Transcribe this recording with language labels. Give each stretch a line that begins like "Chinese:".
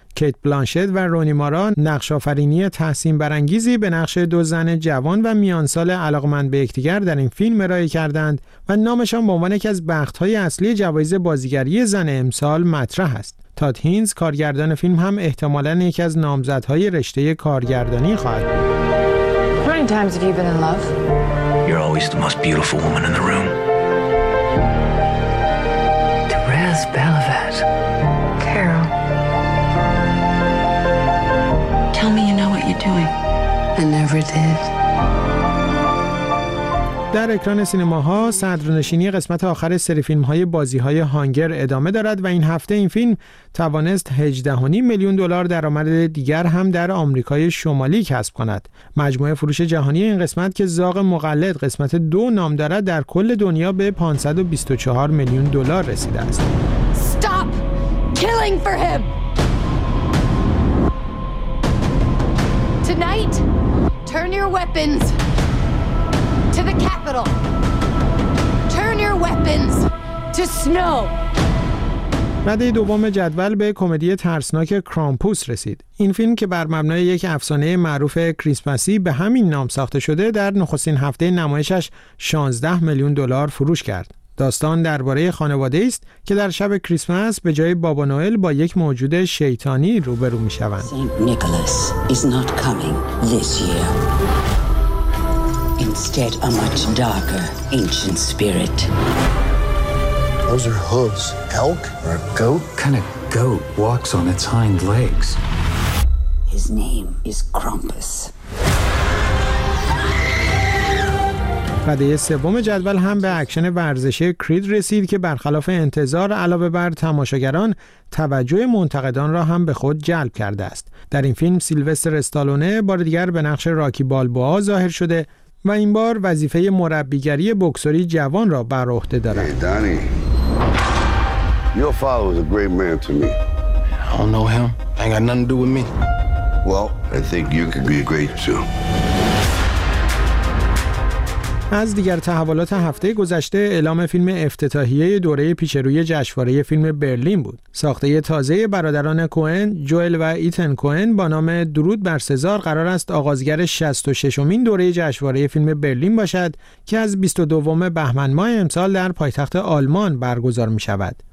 Persian: کیت بلانشت و رونی مارا نقش‌آفرینی تحسین برانگیزی به نقش 2 زن جوان و میانسال علاقمند به یکدیگر در این فیلم ارائه کردند و نامشان به عنوان یکی از بخت‌های اصلی جوایز بازیگری زن امسال مطرح است. تاد هینز کارگردان فیلم هم احتمالاً یکی از نامزدهای رشته کارگردانی خواهد بود.
English: You're always the most beautiful woman in the room. Therese Bellevet. Carol. Tell me you know what you're doing. I never did.
Persian: در اکران سینماها صدرنشینی قسمت آخر سری فیلم‌های بازی‌های هانگر ادامه دارد و این هفته این فیلم توانست 18.5 میلیون دلار درآمد دیگر هم در آمریکای شمالی کسب کند. مجموعه فروش جهانی این قسمت که زاغ مقلد قسمت 2 نام دارد در کل دنیا به 524 میلیون دلار رسیده است.
English: Stop killing for him. Tonight Turn your weapons to the capital. Turn your weapons to snow.
Persian: رده دوم جدول به کمدی ترسناک کرامپوس رسید. این فیلم که بر مبنای یک افسانه معروف کریسمسی به همین نام ساخته شده، در نخستین هفته نمایشش 16 میلیون دلار فروش کرد. داستان درباره خانواده است که در شب کریسمس به جای بابا نوئل با یک موجود شیطانی روبرو می شوند.
English: Saint Nicholas is not coming this year. Instead a much darker ancient spirit. Those are hooves. Elk or a goat? Kind of goat walks on its hind legs. His name is Krampus.
Persian: رده سوم جدول هم به اکشن ورزشی کرید رسید که برخلاف انتظار علاوه بر تماشاگران، توجه منتقدان را هم به خود جلب کرده است. در این فیلم سیلوستر استالونه بار دیگر به نقش راکی بالبوا ظاهر شده و این بار وظیفه مربیگری بوکسری جوان را بر عهده دارد.
English: Hey, Danny. Your father was a great man to me. I don't know him. I ain't got nothing to do with me. Well, I think you could be great too.
Persian: از دیگر تحولات هفته گذشته، اعلام فیلم افتتاحیه دوره پیش روی جشنواره فیلم برلین بود. ساخته تازه برادران کوئن، جوئل و ایتن کوئن با نام درود بر سزار قرار است آغازگر 66مین دوره جشنواره فیلم برلین باشد که از 22 بهمن ماه امسال در پایتخت آلمان برگزار می شود.